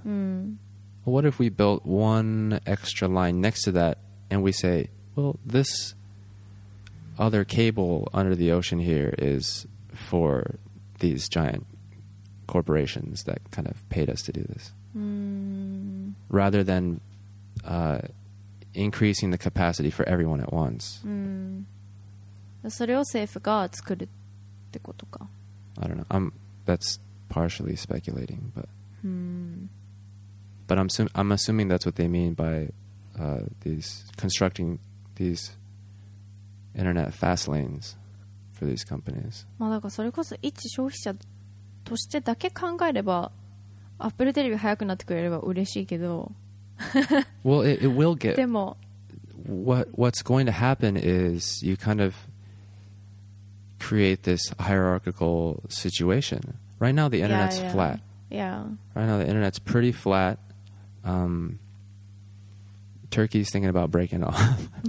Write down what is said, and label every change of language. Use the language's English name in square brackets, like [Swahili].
[English] Well, what if we built one extra line next to that and we say, well, this other cable under the ocean here is for these giant corporations that kind of paid us to do this. Rather than increasing the capacity for everyone at once. [Japanese] それを政府が作るってことか? [English] I don't know. That's partially speculating, but I'm assuming that's what they mean by these constructing these internet fast lanes for these companies. [Japanese] まあだからそれこそ一消費者としてだけ考えれば、Apple テレビ早くなってくれれば嬉しいけど。 [English] Well, it will get. [Japanese] でも、 [English] What's going to happen is you kind of create this hierarchical situation. Right now, the internet's flat. Yeah. Right now, the internet's pretty flat. Turkey's thinking about breaking off.